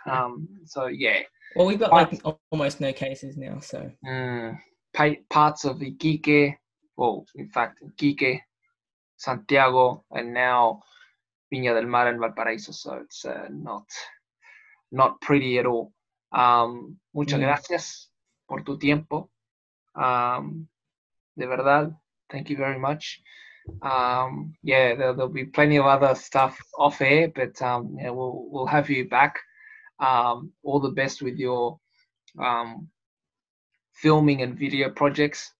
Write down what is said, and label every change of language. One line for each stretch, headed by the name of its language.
English: Well, we've got almost no cases now, so. Parts of Iquique, Iquique, Santiago, and now Viña del Mar and Valparaíso, so it's not pretty at all.
Spanish: Muchas gracias por tu tiempo. De verdad,
English: thank you very much. There'll be plenty of other stuff off air, but we'll have you back. All the best with your filming and video projects.